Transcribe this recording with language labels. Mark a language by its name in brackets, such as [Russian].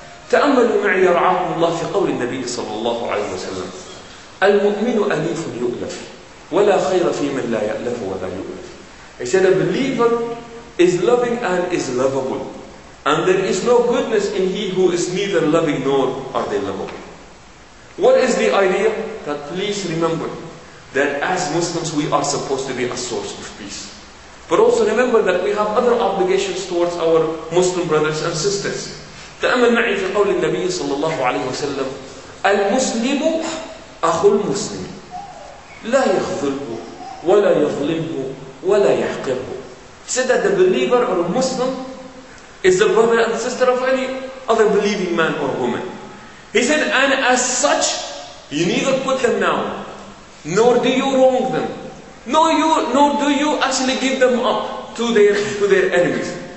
[Arabic] تأملوا معي رعاه الله في قول النبي صلى الله عليه وسلم المؤمن أليف يؤلف ولا خير في من لا يألف ولا يؤلف. [English] He said, a believer is loving and is lovable, and there is no goodness in he who is neither loving nor are they lovable. What is the idea? That please remember that as Muslims we are supposed to be a source of peace, but also remember that we have other obligations towards our Muslim brothers and sisters. [Arabic] تأمل معي في قول النبي صلى الله عليه وسلم المسلم أخو المسلم لا يخذله ولا يظلمه ولا يحقره. [English] Said that the believer or Muslim is the brother and sister of any other believing man or woman. He said, and as such, you neither put them down, nor do you wrong them, nor do you actually give them up to their enemies.